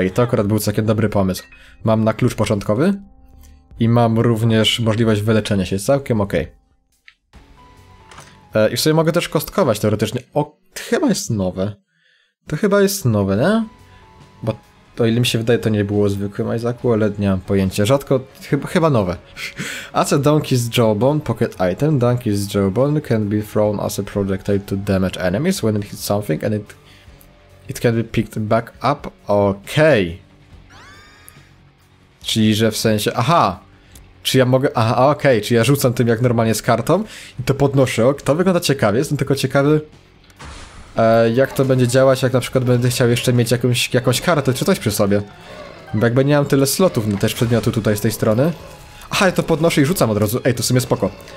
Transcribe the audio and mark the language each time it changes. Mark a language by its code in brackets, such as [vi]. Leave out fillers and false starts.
[pl] Ej, to akurat był całkiem dobry pomysł. Mam na klucz początkowy. I mam również możliwość wyleczenia się. Całkiem okej. Okay. I w sumie mogę też kostkować teoretycznie. O, to chyba jest nowe. To chyba jest nowe, nie? Bo to ile mi się wydaje, to nie było zwykłym Isaacu, ale nie mam pojęcia. Rzadko, chyba nowe. [en] As a donkey's jawbone pocket item, donkey's jawbone can be thrown as a projectile to damage enemies when it hits something and it can be picked back up. [pl] Okej. Okay. Czyli, że w sensie, aha! Czy ja mogę, aha, okej, okay. Czyli ja rzucam tym jak normalnie z kartą i to podnoszę. To wygląda ciekawie, jestem tylko ciekawy. Jak to będzie działać, jak na przykład będę chciał jeszcze mieć jakąś kartę czy coś przy sobie. Bo jakby nie mam tyle slotów na też przedmiotu tutaj z tej strony. Aha, ja to podnoszę i rzucam od razu. Ej, to w sumie spoko.